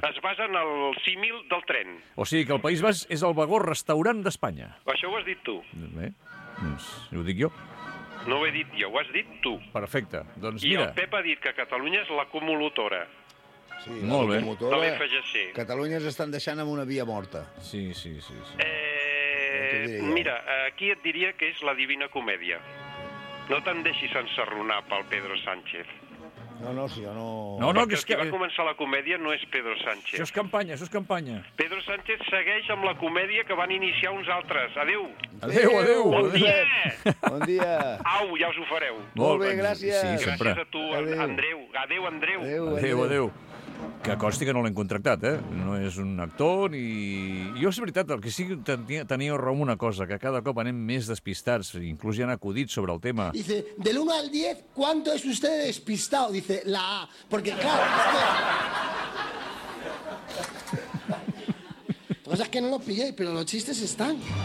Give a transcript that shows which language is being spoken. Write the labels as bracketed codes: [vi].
[ca] Es basen al símil del tren. O sigui que el País Basc és el vagó restaurant d'Espanya. Això ho has dit tu. Bé, doncs ho dic jo. No ho he dit jo, ho has dit tu. Perfecte, doncs i mira... I el Pep ha dit que Catalunya és l'acumulotora. Sí, molt bé. De l'FGC. Catalunya s'estan deixant amb una via morta. Sí, sí, sí. Sí. Mira, aquí et diria que és la Divina Comèdia. No te'n deixis ensarronar pel Pedro Sánchez. No, si jo no... No, que és que... Qui va començar la comèdia no és Pedro Sánchez. Això és campanya, això és campanya. Pedro Sánchez segueix amb la comèdia que van iniciar uns altres. Adéu. Adéu, adéu. Bon dia. Au, ja us ho fareu. Molt bé, gràcies. Sí, sempre. Gràcies a tu, adéu. Andreu. Adéu, Andreu. Adéu. Que consti que no l'hem contractat, eh? No és un actor ni... Jo, és veritat, el que sí que tenia raó una cosa, que cada cop anem més despistats, inclús hi han acudit sobre el tema. [es] Dice, del 1 al 10, ¿cuánto es usted despistado? Dice, la A. Porque, claro, es que... Lo que pasa es que no lo pillé, pero los chistes están.